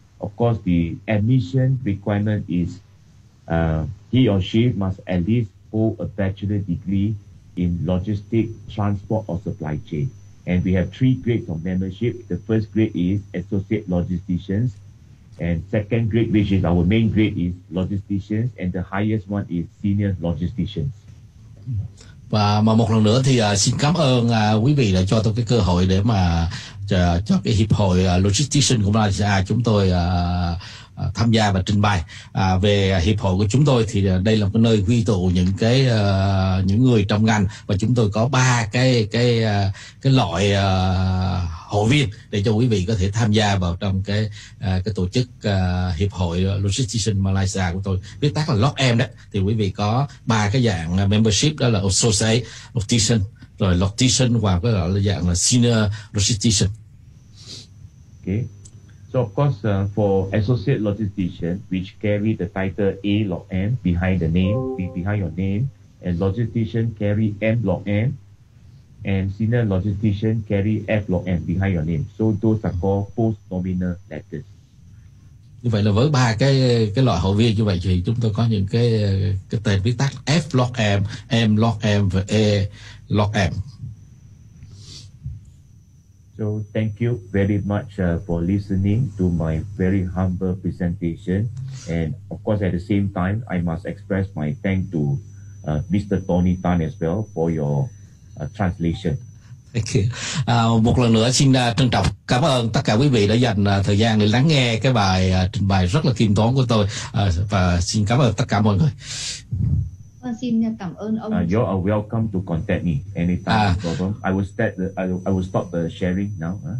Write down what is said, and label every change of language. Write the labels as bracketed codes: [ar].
[en] Of course, the admission requirement is he or she must at least hold a bachelor degree in logistics, transport or supply chain. And we have three grades of membership. The first grade is associate logisticians. And second grade, which is our main grade, is logisticians. And the highest one is senior logisticians. [vi] Và mà một lần nữa thì xin cảm ơn quý vị đã cho tôi cái cơ hội để mà cho cái hiệp hội logistician của Malaysia chúng tôi tham gia và trình bày. Về hiệp hội của chúng tôi thì đây là một cái nơi quy tụ những cái những người trong ngành, và chúng tôi có ba cái loại hội viên để cho quý vị có thể tham gia vào trong cái tổ chức hiệp hội Logistician Malaysia của tôi, viết tắt là LOGM đó. Thì quý vị có ba cái dạng membership, đó là associate logistician, rồi logistician và cái loại là dạng là senior logistician. [en] Okay. So of course, for associate logistician, which carry the title A log M behind the name, behind your name, and logistician carry M log M, and senior logistician carry F log M behind your name. So those are called post nominal letters. [vi] Như vậy là với ba cái loại hội viên như vậy thì chúng tôi có những cái tên viết tắt F log M, M log M và A log M. [en] So thank you very much for listening to my very humble presentation. And of course, at the same time, I must express my thanks to Mr. Tony Tan as well for your translation. Thank you. [vi] Một lần nữa xin trân trọng cảm ơn tất cả quý vị đã dành thời gian để lắng nghe cái bài trình bày rất là khiêm tốn của tôi. Và xin cảm ơn tất cả mọi người. Xin cảm ơn ông. [en] You are welcome to contact me anytime. I will stop the sharing now.